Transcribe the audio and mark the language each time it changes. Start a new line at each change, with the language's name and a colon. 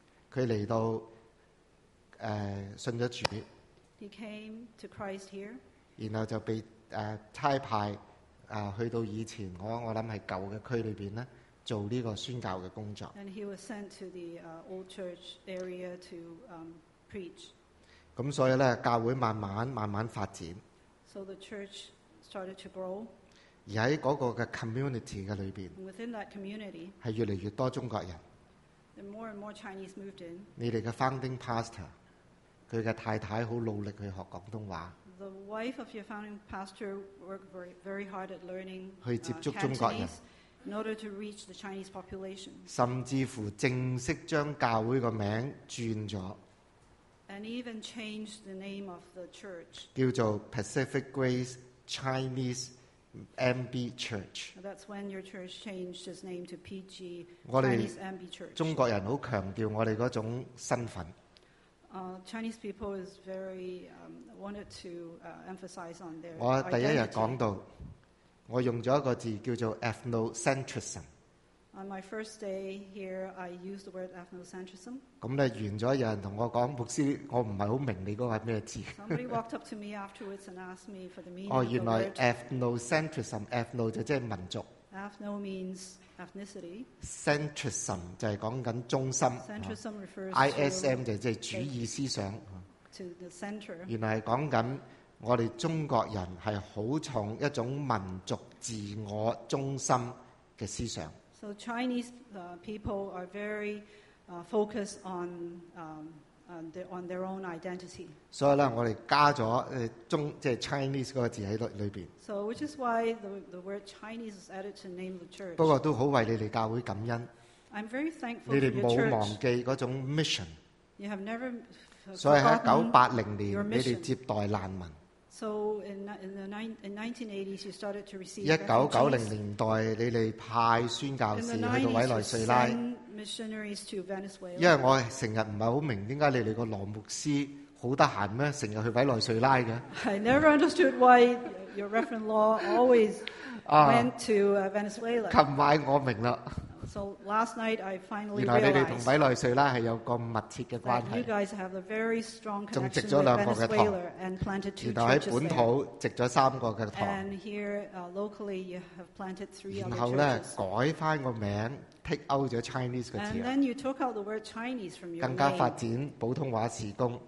Cantonese: 佢嚟到信咗主。
English: He came to Christ here。
Cantonese: 然後就被差派去到以前我諗係舊嘅區裏邊咧，做呢個宣教嘅工作。
English: And he was sent to the old church area to preach.
Cantonese: 咁所以咧，教會慢慢發展。
English: So the church started to grow.
Cantonese: 而喺嗰個嘅 community 嘅裏邊
English: ，within that community，
Cantonese: 係越嚟越多中國人。
English: And more and more Chinese moved in.
Cantonese: 你哋嘅 founding pastor， 佢嘅太太好努力去學廣東話。
English: The wife of your founding pastor worked very, very hard at learning Cantonese in order to reach the Chinese population.
Cantonese: 甚至乎正式將教會個名轉咗。
English: And even changed the name of the church.
Cantonese: 叫做 Pacific Grace Chinese MB Church.
English: That's when your church changed its name to PG Chinese MB Church.
Cantonese: 中國人好強調我哋嗰種身份。
English: Chinese people is very wanted to emphasize on their.
Cantonese: 我第一日講到，我用咗一個字叫做 ethnocentrism。
English: On my first day here, I used the word ethnocentrism.
Cantonese: 咁咧完咗，有人同我講，牧師，我唔係好明你嗰個係咩字。
English: Somebody walked up to me afterwards and asked me for the meaning.
Cantonese: 哦，原來 ethnocentrism，ethno 就即係民族。
English: Ethno means ethnicity.
Cantonese: Centrism 就係講緊中心。
English: Centrism refers to
Cantonese: ISM 就即係主義思想。
English: To the center.
Cantonese: 原來係講緊我哋中國人係好重一種民族自我中心嘅思想。
English: So Chinese people are very focused on their own identity.
Cantonese: 所以咧，我哋加咗中即係 Chinese 嗰個字喺裏邊。
English: So which is why the word Chinese is added to name the church.
Cantonese: 不過都好為你哋教會感恩。
English: I'm very thankful.
Cantonese: 你哋冇忘記嗰種 mission。
English: You have never.
Cantonese: 所以喺1980年，你哋接待難民。
English: So in 1980s, you started to receive.
Cantonese: 1990年代，你哋派宣教士去到委內瑞拉。
English: Missionaries to Venezuela.
Cantonese: 因為我成日唔係好明點解你哋個羅牧師好得閒咩？成日去委內瑞拉嘅。
English: I never understood why your Reverend Law always went to Venezuela.
Cantonese: 琴晚我明啦。
English: So last night I finally realized.
Cantonese: 原來你哋同委內瑞拉係有個密切嘅關係。
English: You guys have a very strong connection with Venezuela and planted two churches.
Cantonese: 然後喺本土植咗三個嘅堂。
English: And here locally you have planted three other churches.
Cantonese: 然後咧改翻個名。
English: Take out the Chinese
Cantonese: 嘅字。
English: And then you took out the word Chinese from your name.
Cantonese: 更加發展普通話事工。